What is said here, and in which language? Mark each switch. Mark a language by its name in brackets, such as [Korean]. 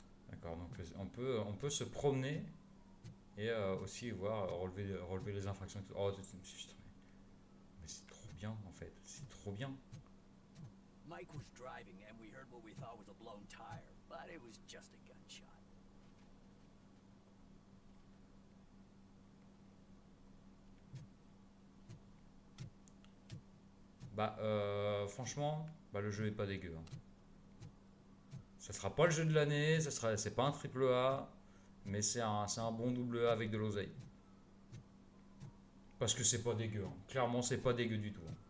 [French] D'accord, donc on peut se promener et aussi voir relever les infractions. Oh, mais c'est trop bien en fait, c'est trop bien. [English] Mike was driving and we heard what we thought was a blown tire, but it was just a gunshot. [French] Franchement, le jeu est pas dégueu. Hein. Ça sera pas le jeu de l'année, c'est pas un triple A, mais c'est un bon double A avec de l'oseille. Parce que c'est pas dégueu. Hein. Clairement, c'est pas dégueu du tout.